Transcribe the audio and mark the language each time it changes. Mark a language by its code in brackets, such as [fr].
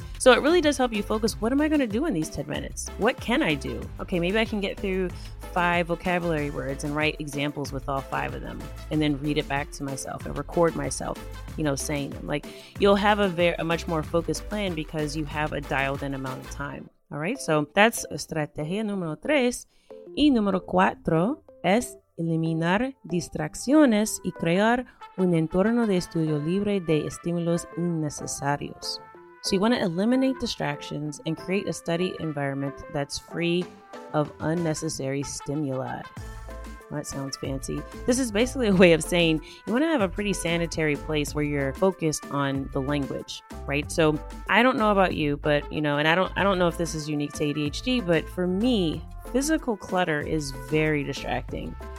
[en] So it really does help you focus. What am I going to do in these 10 minutes? What can I do? Okay, maybe I can get through 5 vocabulary words and write examples with all 5 of them, and then read it back to myself and record myself, you know, saying them. Like, you'll have a much more focused plan because you have a dialed in amount of time. All right, so that's [es] estrategia número 3. Y número 4 es eliminar distracciones y crear un entorno de estudio libre de estímulos innecesarios. [en] So you want to eliminate distractions and create a study environment that's free of unnecessary stimuli. Well, that sounds fancy. This is basically a way of saying you want to have a pretty sanitary place where you're focused on the language, right? So I don't know about you, but, you know, and I don't know if this is unique to ADHD, but for me, physical clutter is very distracting.